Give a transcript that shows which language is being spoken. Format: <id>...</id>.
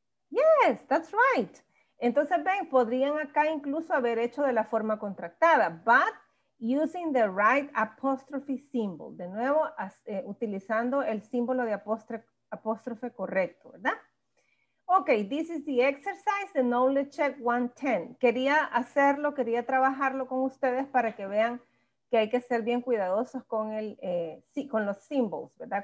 <en>Yes, that's right.</en> <es>Entonces, ven, podrían acá incluso haber hecho de la forma contractada,</es> <en>but using the right apostrophe symbol.</en> <es>De nuevo, utilizando el símbolo de apóstrofe correcto, ¿verdad?</es> <en>Ok, this is the exercise, the knowledge check 110.</en> <es>Quería hacerlo, quería trabajarlo con ustedes para que vean que hay que ser bien cuidadosos con el, sí, con los symbols, ¿verdad?</es>